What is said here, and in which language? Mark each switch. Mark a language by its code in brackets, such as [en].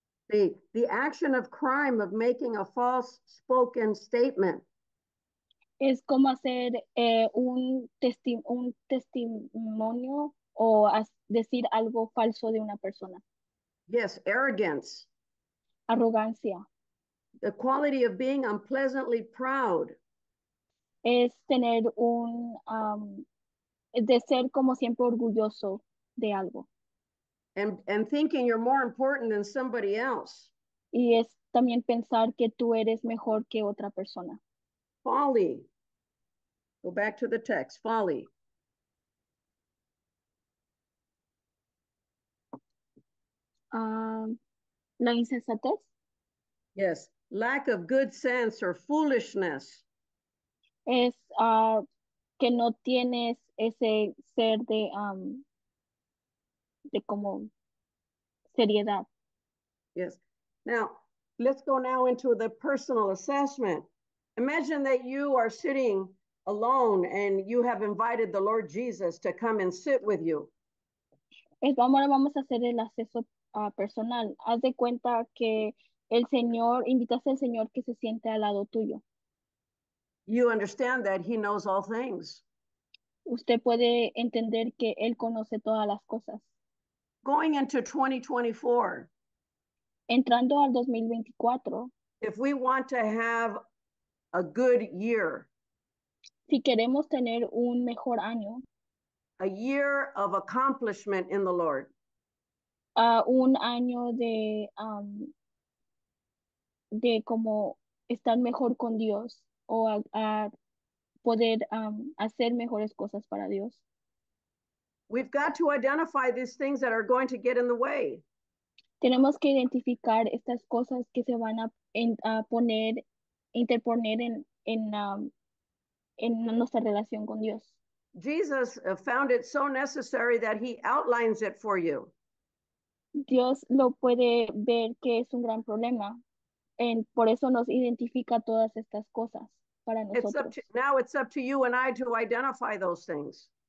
[en] The action of crime of making a false spoken statement. [es] Es como hacer un testimonio o decir algo falso de una persona. [en] Yes, arrogance. [es] Arrogancia. [en] The quality of being unpleasantly proud. [es] Es tener un, de ser como siempre orgulloso de algo. [en] And thinking you're more important than somebody else. [es] Y es también pensar que tú eres mejor que otra persona. [en] Folly. Go back to the text. Folly. [es] La insensatez. [en] Yes, lack of good sense or foolishness. [es] Es que no tienes ese ser de como seriedad. [en] Yes. Now, let's go now into the personal assessment. Imagine that you are sitting alone and you have invited the Lord Jesus to come and sit with you. [es] Vamos a hacer el acceso personal. Haz de cuenta que el Señor, invitas al Señor que se siente al lado tuyo. [en] You understand that he knows all things. [es] Usted puede entender que él conoce todas las cosas. [en] Going into 2024. [es] Entrando al 2024. [en] If we want to have a good year. [es] Si queremos tener un mejor año. [en] A year of accomplishment in the Lord. [es] Un año de como estar mejor con Dios. O a poder hacer mejores cosas para Dios. [en] We've got to identify these things that are going to get in the way. [es] Tenemos que identificar estas cosas que se van a poner, interponer en nuestra relación con Dios. [en] Jesus found it so necessary that he outlines it for you. [es] Dios lo puede ver que es un gran problema, y por eso nos identifica todas estas cosas. Para [en] it's up to, now it's up to you and I to identify those things.